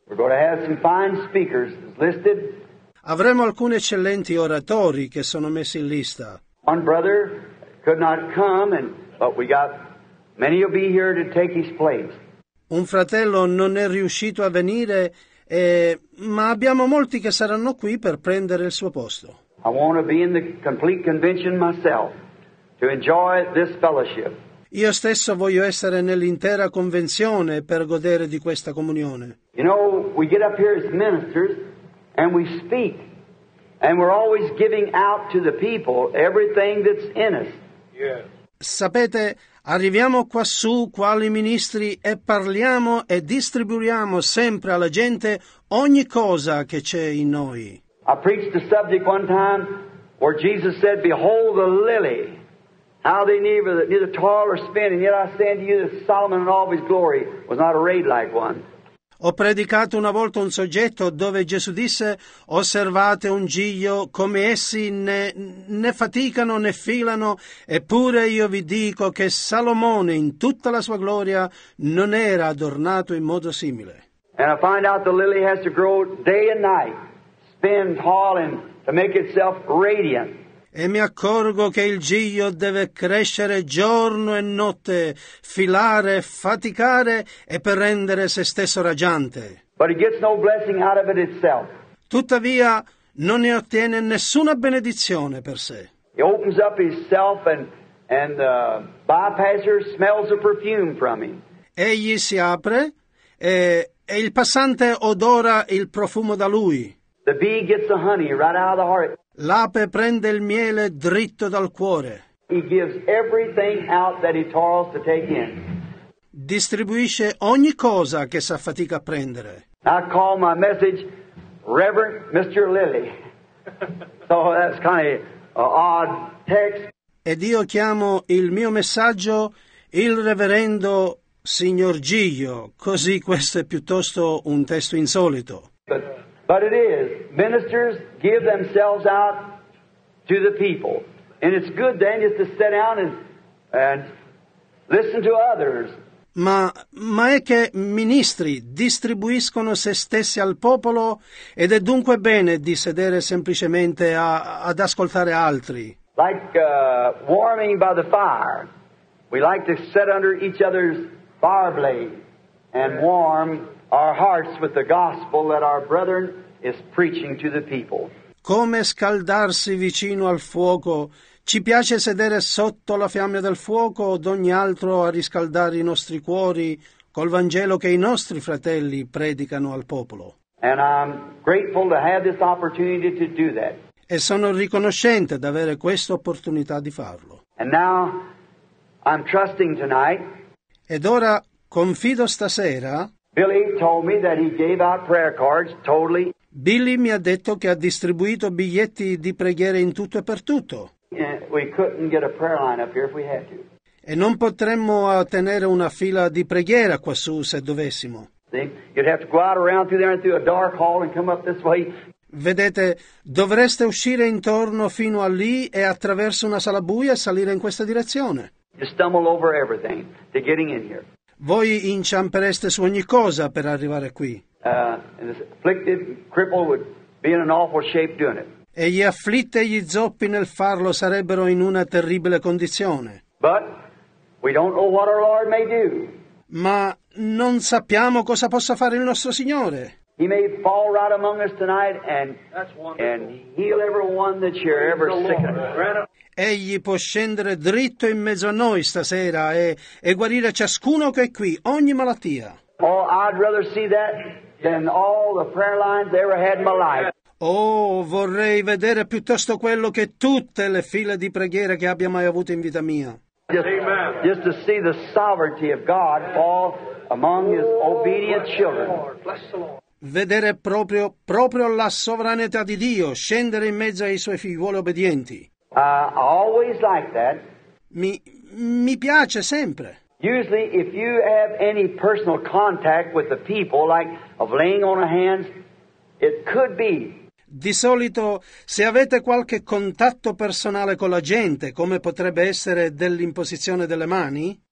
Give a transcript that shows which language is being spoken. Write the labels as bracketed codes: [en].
[en] We're going to have some fine speakers listed. [it] Avremo alcuni eccellenti oratori che sono messi in lista. [en] One brother could not come, but we got many will be here to take his place. [it] Un fratello non è riuscito a venire, ma abbiamo molti che saranno qui per prendere il suo posto. [en] I want to be in the complete convention myself to enjoy this fellowship. [it] Io stesso voglio essere nell'intera convenzione per godere di questa comunione. [en] You know, we get up here as ministers and we speak and we're always giving out to the people everything that's in us. Yes. [it] Sapete, arriviamo quassù quali ministri e parliamo e distribuiamo sempre alla gente ogni cosa che c'è in noi. [en] I preached a subject one time where Jesus said, "Behold the lily. How they neither toil or spin, and yet I say unto you that Solomon in all of his glory was not arrayed like one." [it] Ho predicato una volta un soggetto dove Gesù disse: "Osservate un giglio, come essi né faticano né filano, eppure io vi dico che Salomone in tutta la sua gloria non era adornato in modo simile." [en] And I find out the lily has to grow day and night, spin, toil, and to make itself radiant. [it] E mi accorgo che il giglio deve crescere giorno e notte, filare, faticare e per rendere se stesso raggiante. [en] But it gets no blessing out of it itself. [it] Tuttavia, non ne ottiene nessuna benedizione per sé. [en] He opens up himself and the bypasser smells a perfume from him. [it] Egli si apre e il passante odora il profumo da lui. [en] The bee gets the honey right out of the heart. [it] L'ape prende il miele dritto dal cuore. [en] He gives everything out that he toils to take in. [it] Distribuisce ogni cosa che sa fatica a prendere. [en] I call my message Reverend Mr. Lily. So that's kind of an odd text. [it] Ed io chiamo il mio messaggio il Reverendo Signor Giglio. Così questo è piuttosto un testo insolito. [en] But But it is. Ministers give themselves out to the people. And it's good then just to sit down and listen to others. [it] Ma è che ministri distribuiscono se stessi al popolo ed è dunque bene di sedere semplicemente ad ascoltare altri. [en] Like warming by the fire. We like to sit under each other's fire blade and warm our hearts with the gospel that our brethren is preaching to the people. [it] Come scaldarsi vicino al fuoco. Ci piace sedere sotto la fiamma del fuoco o d'ogni altro a riscaldare i nostri cuori col Vangelo che i nostri fratelli predicano al popolo. [en] And I'm grateful to have this opportunity to do that. [it] E sono riconoscente di avere questa opportunità di farlo. [en] And now I'm trusting tonight. [it] Ed ora confido stasera. [en] Billy told me that he gave out prayer cards totally. [it] Billy mi ha detto che ha distribuito biglietti di preghiere in tutto e per tutto. [en] We couldn't get a prayer line up here if we had to. [it] E non potremmo tenere una fila di preghiera quassù se dovessimo. [en] You'd have to go out around through there and through a dark hall and come up this way. [it] Vedete, dovreste uscire intorno fino a lì e attraverso una sala buia e salire in questa direzione. [en] You stumble over everything to getting in here. [it] Voi inciampereste su ogni cosa per arrivare qui. [en] And this afflicted cripple would be in an awful shape doing it. [it] E gli afflitti e gli zoppi nel farlo sarebbero in una terribile condizione. [en] But we don't know what our Lord may do. [it] Ma non sappiamo cosa possa fare il nostro Signore. [en] He may fall right among us tonight and heal everyone that you're ever sick of. [it] Egli può scendere dritto in mezzo a noi stasera e guarire ciascuno che è qui, ogni malattia. [en] Oh, I'd rather see that than all the prayer lines I ever had in my life. [it] Oh, vorrei vedere piuttosto quello che tutte le file di preghiere che abbia mai avuto in vita mia. [en] Just to see the sovereignty of God fall among his obedient children. [it] Vedere proprio la sovranità di Dio scendere in mezzo ai suoi figlioli obbedienti. [en] I always like that. [it] Mi piace sempre. [en] Usually if you have any personal contact with the people, like of laying on of hands, it could be. [it] Di solito, se avete qualche contatto personale con la gente, come potrebbe essere dell'imposizione delle mani,